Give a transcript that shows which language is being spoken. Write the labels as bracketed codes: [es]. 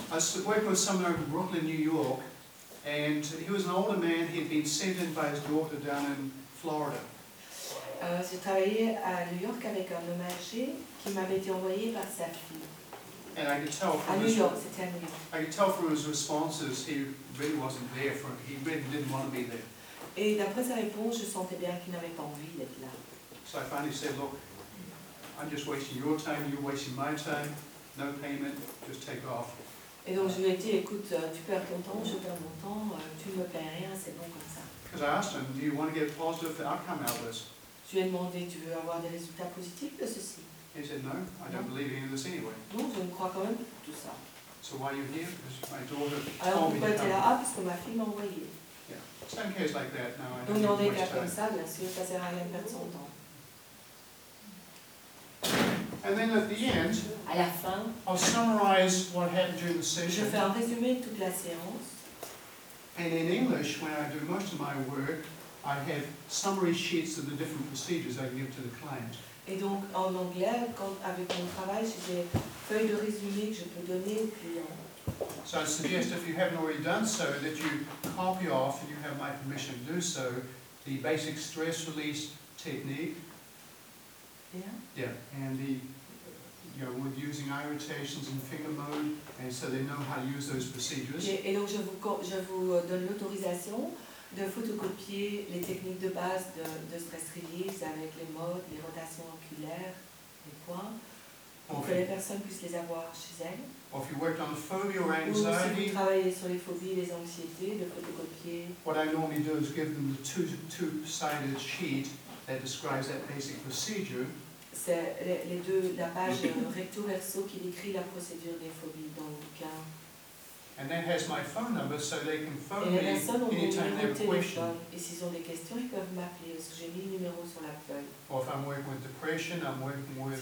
[en] I worked with someone in Brooklyn, New York, and he was an older man. He had been sent in by his daughter down in Florida. [fr] J'ai travaillé à New York avec un homme âgé qui m'avait été envoyé par sa fille. [en] And I could tell from his responses, he really wasn't there for. He really didn't want to be there. [fr] Et d'après sa réponse, je sentais bien qu'il n'avait pas envie d'être là. [en] So I finally said, look, I'm just wasting your time, you're wasting my time, no payment, just take off. [fr] Et donc je lui ai dit, écoute, tu perds ton temps, je perds mon temps, tu ne me payes rien, c'est bon comme ça. [en] Because I asked him, do you want to get a positive outcome out of this? [fr] Je lui ai demandé, tu veux avoir des résultats positifs de ceci? [en] He said, no, I don't believe any of this anyway. [fr] Donc je ne crois quand même pas tout ça. [en] So why are you here? Because my daughter told me to come. [fr] Alors pourquoi tu es là? Parce que ma fille m'a envoyé. [en] Some cases like that, now I don't need to waste time. [fr] Donc dans des cas comme ça, bien sûr, ça sert à rien de perdre son temps. [en] And then at the end, [fr] à la fin, [en] I'll summarize what happened during the session. [fr] Je fais un résumé de toute la séance. [en] And in English, when I do most of my work, I have summary sheets of the different procedures I give to the client. [fr] Et donc en anglais, quand, avec mon travail, j'ai des feuilles de résumé que je peux donner au client. [en] So I suggest if you haven't already done so, that you copy off, and you have my permission to do so, the basic stress release technique. Yeah. Yeah, and the, you know, with using eye rotations and finger mode, and so they know how to use those procedures. [fr] Et donc je vous donne l'autorisation de photocopier les techniques de base de stress release avec les modes, les rotations oculaires, les points, pour que les personnes puissent les avoir chez elles. [en] Or if you worked on phobia or anxiety, [fr] ou si vous travaillez sur les phobies, les anxiétés, de photocopier. [en] What I normally do is give them the two-sided sheet that describes that basic procedure. [fr] C'est les deux, la page recto verso qui décrit la procédure des phobies dans le bouquin. [en] And that has my phone number, so they can phone me anytime they have a question. [fr] Et s'ils ont des questions, ils peuvent m'appeler, parce que j'ai mis le numéro sur la feuille. [en] Or if I'm working with depression, I'm working with